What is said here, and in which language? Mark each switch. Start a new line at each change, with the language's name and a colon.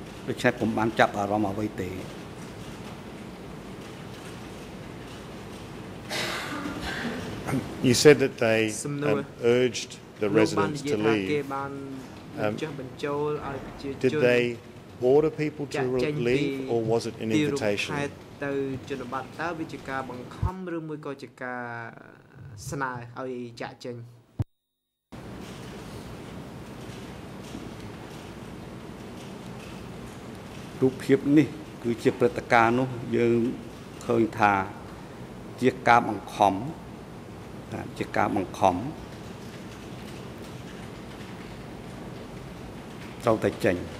Khmer: សភាពការពេលនោះខ្ញុំពំបានចាប់អារម្មណ៍ធ្ងន់ធ្ងរទៅលើបញ្ហាអ្វីនោះទេគឺខ្លួនខ្ញុំកំពុងទៅភ័យដកស្លុតនឹងបញ្ហាដែលមិនអាចធានាជីវិតខ្លួនឯងផងដូច្នេះពំបានចាប់អារម្មណ៍អ្វីទេ
English: You said that they urged the residents to leave. Did they order people to leave or was it an invitation?
Khmer: ទៅជនបទតើវាជាការបង្ខំឬមួយក៏ជាការស្នើឲ្យចាក់ចេញ រូបភាពនេះគឺជាព្រឹត្តិការណ៍នោះយើងឃើញថាជាការបង្ខំថាជាការបង្ខំត្រូវតែចេញ